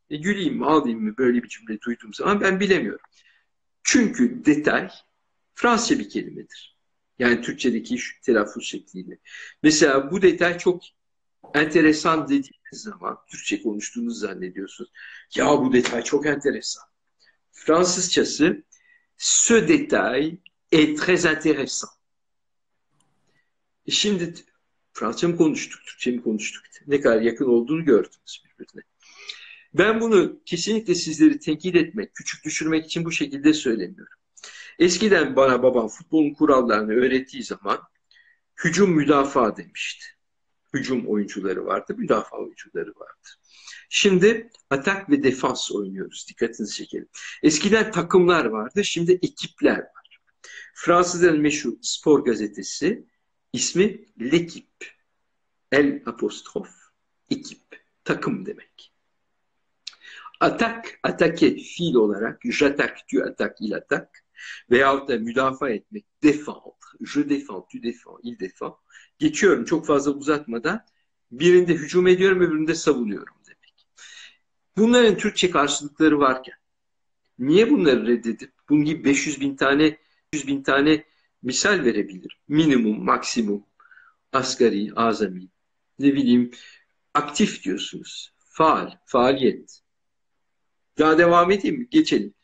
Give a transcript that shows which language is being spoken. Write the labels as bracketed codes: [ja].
[tr] Güleyim mi, ağlayayım mı böyle bir cümle duyduğum zaman ben bilemiyorum. Çünkü detay Fransızca bir kelimedir. Yani Türkçedeki şu telaffuz şekliyle. Mesela bu detay çok enteresan dediğiniz zaman, Türkçe konuştuğunuzu zannediyorsunuz. Ya bu detay çok enteresan. [fr] Fransızcası, ce détail est très intéressant. [tr] Şimdi Fransızca mı konuştuk, Türkçe mi konuştuk? Ne kadar yakın olduğunu gördünüz birbirine. Ben bunu kesinlikle sizleri tenkit etmek, küçük düşürmek için bu şekilde söylemiyorum. Eskiden bana babam futbolun kurallarını öğrettiği zaman hücum müdafaa demişti. Hücum oyuncuları vardı, müdafaa oyuncuları vardı. Şimdi atak ve defans oynuyoruz. Dikkatinizi çekelim. Eskiden takımlar vardı, şimdi ekipler var. Fransızların meşhur spor gazetesi ismi L'équipe. El apostrof, ekip, takım demek. Atak, atake fiil olarak, [fr] j'attaque, tu attaques, il attaque [tr] veyahut da müdafaa etmek, [fr] défendre, je défends, tu défends, il défend. [tr] Geçiyorum çok fazla uzatmadan, birinde hücum ediyorum, öbüründe savunuyorum demek. Bunların Türkçe karşılıkları varken, niye bunları reddedip, bunun gibi 500 bin tane, 100 bin tane misal verebilirim. Minimum, maksimum, asgari, azami, ne bileyim, aktif diyorsunuz, faal, faaliyet. Daha devam edeyim mi? Geçelim.